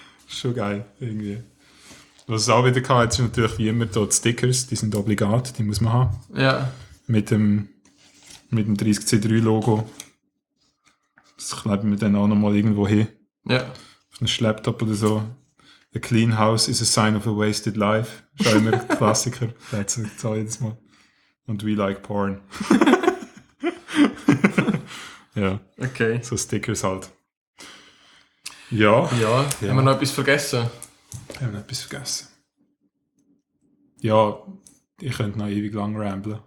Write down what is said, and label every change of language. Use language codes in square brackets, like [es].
[de] Schon geil, irgendwie. Was es auch wieder gab, jetzt sind natürlich wie immer dort Stickers. Die sind obligat, die muss man haben. Ja. Mit dem 30C3-Logo. Das kleben wir dann auch nochmal irgendwo hin. Ja. Auf einem Laptop oder so. [en] A clean house is a sign of a wasted life. [de] Schau immer ein Klassiker. Das ist auch jedes Mal. Und [en] we like porn. [de] Ja. Okay. So Stickers halt. Ja. Ja. Haben wir noch etwas vergessen? Haben wir noch etwas vergessen? Ja, ich könnte noch ewig lang ramblen.